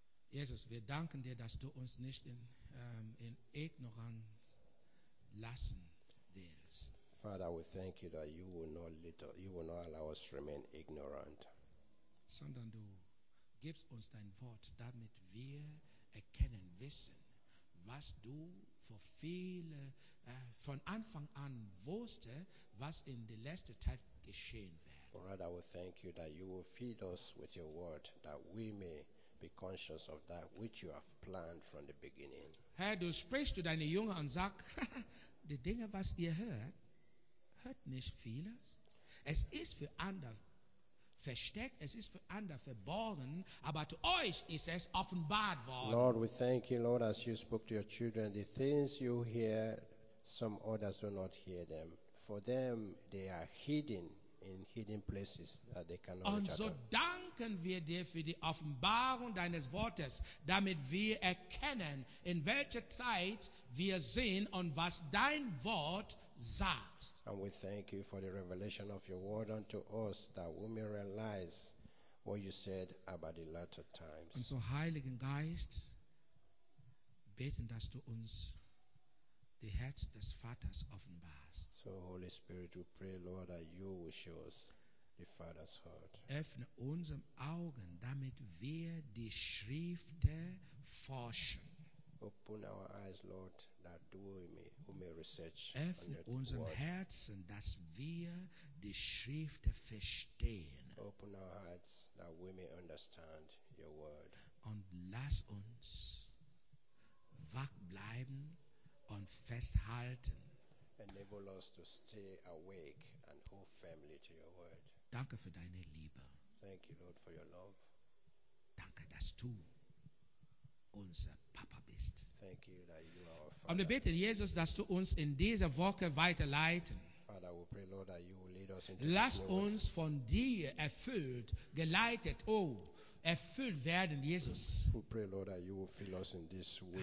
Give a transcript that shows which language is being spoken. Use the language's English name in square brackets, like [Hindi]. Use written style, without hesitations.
[German] Jesus, wir danken dir, dass du uns nicht in Ignoranz lassen willst. [English] Father, we thank you that you will not allow us to remain ignorant. [German] Sondern du gibst uns dein Wort, damit wir erkennen, wissen, was du vor viele von Anfang an wusste, was in der letzten Zeit geschehen wird. [English] Brother, we thank you that you will feed us with your word, that we may be conscious of that which you have planned from the beginning. [German] Herr, du sprichst zu deinen Jüngern und sagst, die Dinge, was ihr hört, hört nicht vieles. Es ist für andere versteckt, es ist für andere verborgen, aber zu euch ist es offenbart worden. [English] Lord, we thank you, Lord, as you spoke to your children, the things you hear, some others do not hear them. For them, they are hidden in hidden places that they cannot reach. [German] Und so danken wir dir für die Offenbarung deines Wortes, damit wir erkennen, in welcher Zeit wir sind und was dein Wort sagt. [English] And we thank you for the revelation of your word unto us, that we may realize what you said about the latter times. [German] Und so, Heiligen Geist, beten, dass du uns die Herz des Vaters offenbarst. [English] So, Holy Spirit, we pray, Lord, that you will show us the Father's heart. [German] Öffne unsere Augen, damit wir die Schriften forschen. [English] Open our eyes, Lord, that we may research. [German] Öffne unser Herz, dass wir die Schrift verstehen. [English] Open our hearts, that we may understand your word. [German] Und lass uns wach bleiben und festhalten. [English] Enable us to stay awake and hold firmly to your word. [German] Danke für deine Liebe. [English] Thank you, Lord, for your love. [German] Danke, dass du unser Papa bist. [English] Thank you that you are our Father. [German] Und wir beten, Jesus, dass du uns in dieser Woche weiterleiten. [English] Father, we pray, Lord, that you will lead us into [German] lass uns von dir erfüllt, geleitet, erfüllt werden, Jesus. [English] We pray, Lord, that you will fill us in this week.